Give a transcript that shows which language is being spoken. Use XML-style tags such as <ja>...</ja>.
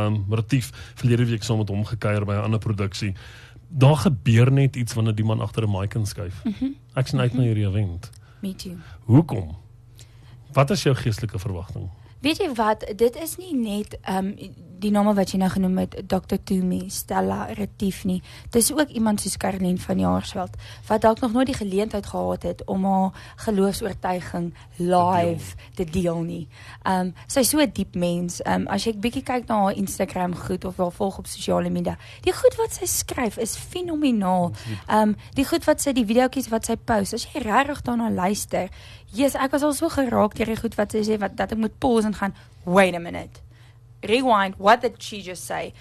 <af>Retief, verlede week saam met hom gekuier by 'n ander produksie. Daar gebeur net iets wanneer die man agter 'n mic inskuif. Mm-hmm. Ek sien uit na hierdie event.</af> <en>Me too.</en> <af>Hoekom? Wat is jou geestelike verwagting? Weet jy wat, dit is nie net die name wat jy nou genoem het, Dr. Toomey, Stella, Retief nie. Dit is ook iemand soos Carleen van Jaarsveld, wat ook nog nooit die geleentheid gehad het om haar geloofsoortuiging live te deel nie. Sy is so 'n diep mens. As jy bietjie kyk na haar Instagram goed, of wel volg op sosiale media, die goed wat sy skryf is fenomenaal. Die goed wat sy, die videokies wat sy post, as jy rarig daarna luister, yes, ek was al so geraak dier die goed wat sy sê, dat ek moet pause en gaan,</af> <en>wait a minute, rewind, what did she just say?</en>